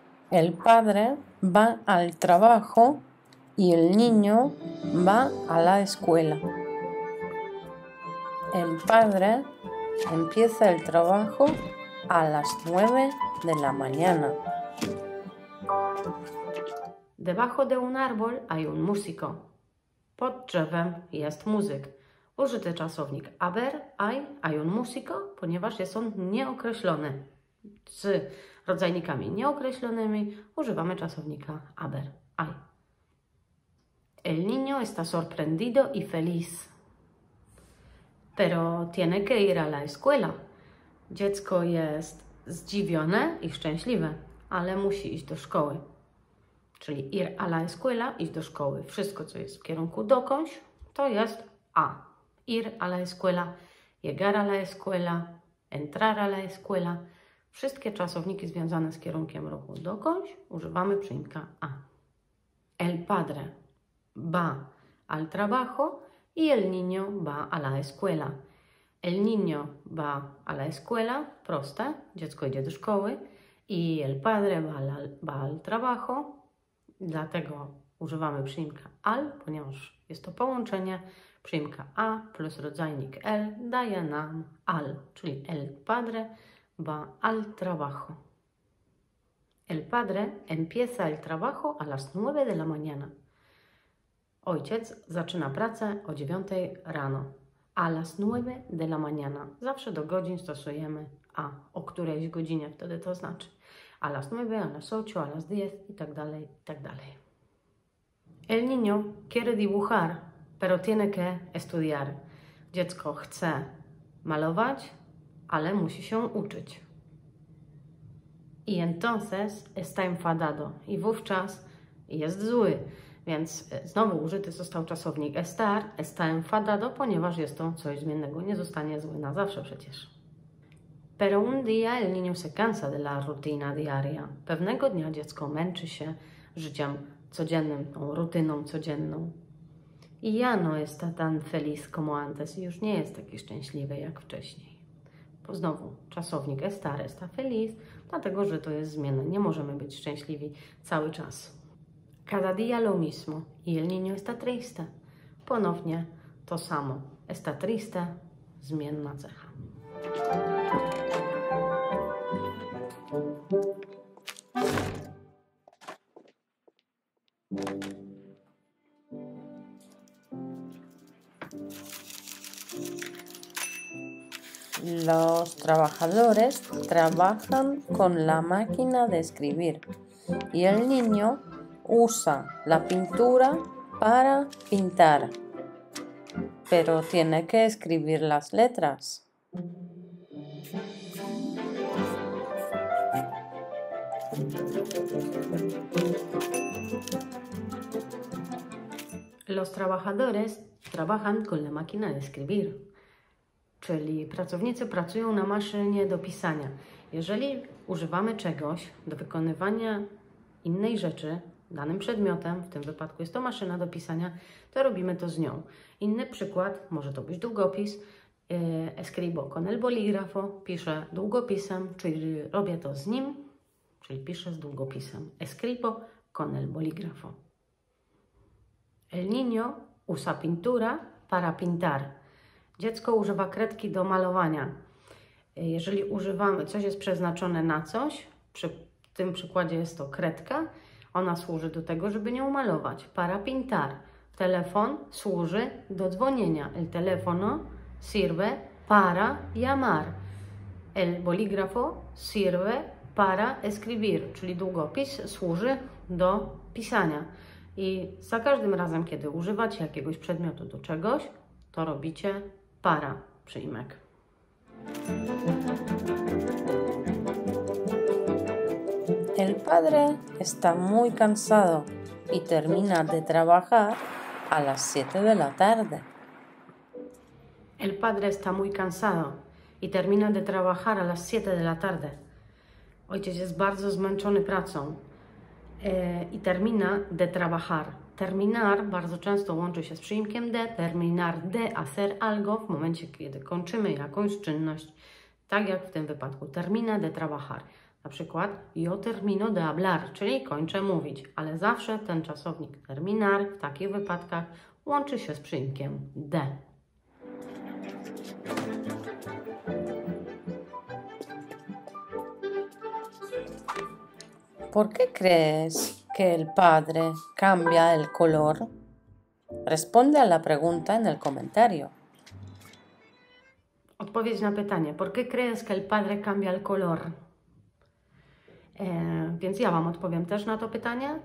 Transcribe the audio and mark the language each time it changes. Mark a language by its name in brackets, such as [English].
[Spanish] El padre va al trabajo. Y el niño va a la escuela. El padre empieza el trabajo a las 9 de la mañana. Debajo de un árbol hay un músico. [Polish] Pod drzewem jest muzyk. Użyty czasownik haber, [Spanish] hay un músico, [Polish] ponieważ jest on nieokreślony. Z rodzajnikami nieokreślonymi używamy czasownika haber, hay. [Spanish] El niño está sorprendido y feliz. Pero tiene que ir a la escuela. [Polish] Dziecko jest zdziwione i szczęśliwe, ale musi iść do szkoły. Czyli [Spanish] ir a la escuela, [Polish] iść do szkoły. Wszystko, co jest w kierunku dokądś, to jest a. [Spanish] Ir a la escuela, llegar a la escuela, entrar a la escuela. [Polish] Wszystkie czasowniki związane z kierunkiem ruchu dokądś używamy przyimka a. [Spanish] El padre. Va al trabajo y el niño va a la escuela. El niño va a la escuela, [Polish] proste, dziecko idzie do szkoły, [Spanish] y el padre va al trabajo, [Polish] dlatego używamy przyimka al, ponieważ jest to połączenie, przyimka a plus rodzajnik el daje nam al, czyli [Spanish] el padre va al trabajo. El padre empieza el trabajo a las 9 de la mañana. [Polish] Ojciec zaczyna pracę o 9 rano. [Spanish] A las 9 de la mañana. [Polish] Zawsze do godzin stosujemy a. O którejś godzinie wtedy to znaczy. [Spanish] A las 9, a las 8, a las 10 [Polish] i tak dalej, i tak dalej. [Spanish] El niño quiere dibujar, pero tiene que estudiar. [Polish] Dziecko chce malować, ale musi się uczyć. [Spanish] Y entonces está enfadado. [Polish] I wówczas jest zły. Więc znowu użyty został czasownik estar, [Spanish] está enfadado, [Polish] ponieważ jest to coś zmiennego, nie zostanie zły na zawsze przecież. [Spanish] Pero un día el niño se cansa de la rutina diaria. [Polish] Pewnego dnia dziecko męczy się życiem codziennym, tą rutyną codzienną. [Spanish] Y ya no está tan feliz como antes. [Polish] Już nie jest taki szczęśliwy jak wcześniej. To znowu czasownik estar, [Spanish] está feliz, [Polish] dlatego że to jest zmienne. Nie możemy być szczęśliwi cały czas. [Spanish] Cada día lo mismo y el niño está triste. [Polish] Ponownie to samo. [Spanish] Está triste, [Polish] zmienna cecha. [Spanish] Los trabajadores trabajan con la máquina de escribir y el niño usa la pintura para pintar, pero tiene que escribir las letras. Los trabajadores trabajan con la máquina de escribir. [Polish] Czyli pracownicy pracują na maszynie do pisania. Jeżeli używamy czegoś do wykonywania innej rzeczy, danym przedmiotem, w tym wypadku jest to maszyna do pisania, to robimy to z nią. Inny przykład, może to być długopis. [Spanish] Escribo con el bolígrafo, [Polish] piszę długopisem, czyli robię to z nim, czyli piszę z długopisem. [Spanish] Escribo con el bolígrafo. El niño usa pintura para pintar. [Polish] Dziecko używa kredki do malowania. Jeżeli używamy, coś jest przeznaczone na coś, przy tym przykładzie jest to kredka, ona służy do tego, żeby nią malować. [Spanish] Para pintar. [Polish] Telefon służy do dzwonienia. [Spanish] El telefono sirve para llamar. El bolígrafo sirve para escribir. [Polish] Czyli długopis służy do pisania. I za każdym razem, kiedy używacie jakiegoś przedmiotu do czegoś, to robicie para przyimek. [Spanish] El padre está muy cansado y termina de trabajar a las 7 de la tarde. El padre está muy cansado y termina de trabajar a las 7 de la tarde. [Polish] Ojciec jest bardzo zmęczony pracą i [Spanish] termina de trabajar. [Polish] Terminar bardzo często łączy się z przyimkiem de, [Spanish] terminar de hacer algo, [Polish] w momencie, kiedy kończymy jakąś czynność, tak jak w tym wypadku, [Spanish] termina de trabajar. [Polish] Na przykład, [Spanish] yo termino de hablar, [Polish] czyli kończę mówić, ale zawsze ten czasownik terminar w takich wypadkach łączy się z przyimkiem de. [Spanish] ¿Por qué crees que el padre cambia el color? Responde a la pregunta en el comentario. [Polish] Odpowiedź na pytanie. [Spanish] ¿Por qué crees que el padre cambia el color? [Polish] Więc ja Wam odpowiem też na to pytanie.